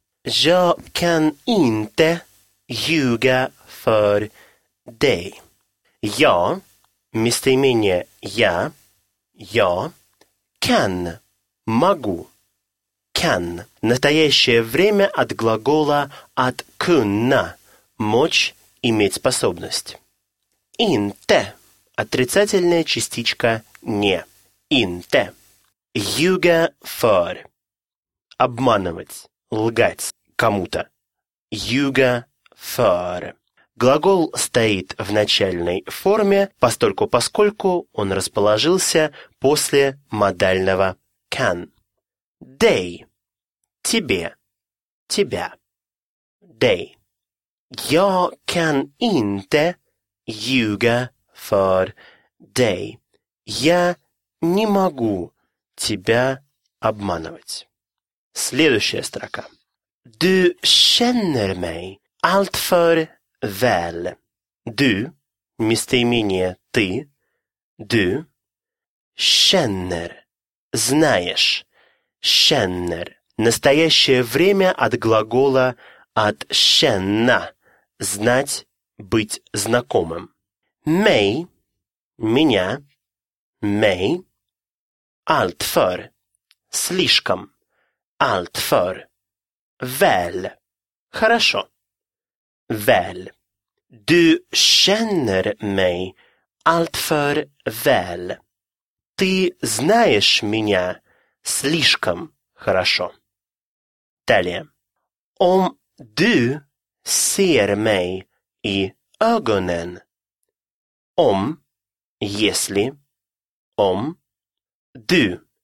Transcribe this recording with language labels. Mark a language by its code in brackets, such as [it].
[sv] Jag kan inte ljuga för dig. [ru] Я, местоимение я, я, can, могу, can. Настоящее время от глагола от kunna, мочь, иметь способность. Inte, отрицательная частичка не. [sv] Inte. Ljuga för. [ru] Обманывать, лгать кому-то. [sv] Ljuga för. [ru] Глагол стоит в начальной форме, поскольку он расположился после модального can. Dig. Тебе. Тебя. Dig. [sv] Jag kan inte ljuga för dig. [ru] Я не могу тебя обманывать. Следующая строка. [sv] Du känner mig alltför väl. Du, местоимение ты, du, känner, знаешь, känner. [ru] Настоящее время от глагола от känna, знать, быть знакомым. [sv] Mig, меня, mig, alltför, слишком. Alltför. Väl. Хорошо. Väl. Du känner mig alltför väl. [ru] Ты знаешь меня слишком хорошо. [sv] Далее. Om du ser mig i ögonen. Om. Если. Om. Du.